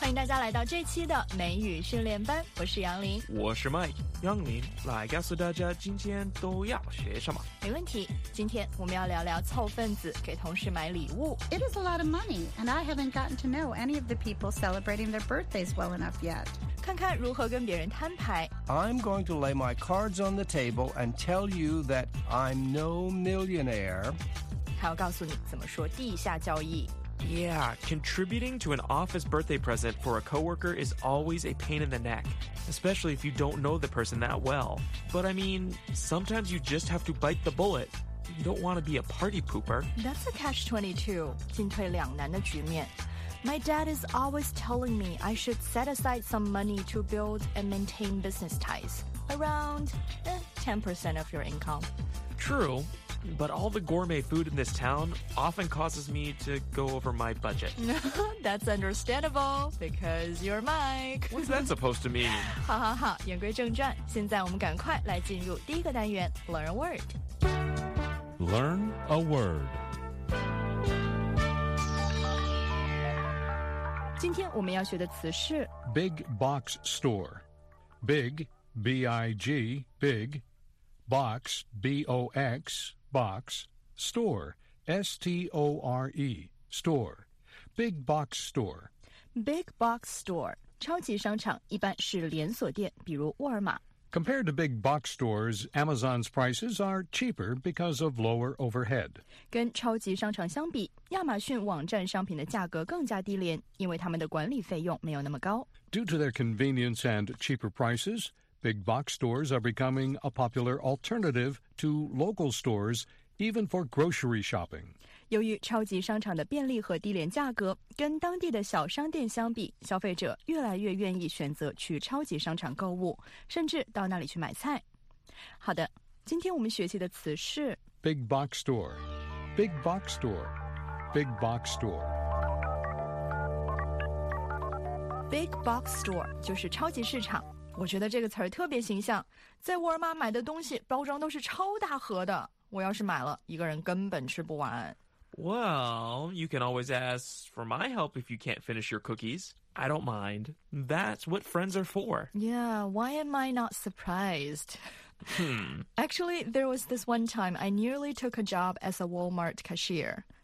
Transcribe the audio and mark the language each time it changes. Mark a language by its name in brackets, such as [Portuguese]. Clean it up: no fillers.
[Chinese] 家来到这期的美语训练班，我是杨林，我是 Mike。杨林来告诉大家今天都要学什么。没问题，今天我们要聊聊凑份子给同事买礼物。 [English] It is a lot of money and I haven't gotten to know any of the people celebrating their birthdays well enough yet。 [Chinese] 看看如何跟别人摊牌。 [English] I'm going to lay my cards on the table and tell you that I'm no millionaire。 [Chinese] 还要告诉你怎么说地下交易。 [English] Yeah, contributing to an office birthday present for a coworker is always a pain in the neck, especially if you don't know the person that well. But I mean, sometimes you just have to bite the bullet. You don't want to be a party pooper. That's a catch-22, [Chinese] 进退两难的局面。 [English] My dad is always telling me I should set aside some money to build and maintain business ties, around 10% of your income. True. But all the gourmet food in this town often causes me to go over my budget. That's understandable, because you're Mike. What's that supposed to mean? [Chinese] 好好好，言归正传，现在我们赶快来进入第一个单元 Learn a Word. [English] Learn a Word. [Chinese] 今天我们要学的词是 [English] Big Box Store. Big, B-I-G, Big, Box, B-O-X,Box, store, S-T-O-R-E, store, big box store. [Chinese] Big box store, 超级商场一般是连锁店，比如沃尔玛。 [English] Compared to big box stores, Amazon's prices are cheaper because of lower overhead. [Chinese] 跟超级商场相比，亚马逊网站商品的价格更加低廉，因为他们的管理费用没有那么高。 [English] Due to their convenience and cheaper prices,Big box stores are becoming a popular alternative to local stores, even for grocery shopping. [Chinese] 由于超级商场的便利和低廉价格，跟当地的小商店相比，消费者越来越愿意选择去超级商场购物，甚至到那里去买菜。好的，今天我们学习的词是 [English] Big box store, big box store, big box store. [Chinese] Big box store 就是超级市场。我觉得这个词儿特别形象，在沃尔玛买的东西包装都是超大盒的，我要是买了，一个人根本吃不完。 [English] Well, you can always ask for my help if you can't finish your cookies. I don't mind. That's what friends are for. Yeah, why am I not surprised? Hmm. Actually, there was this one time I nearly took a job as a Walmart cashier.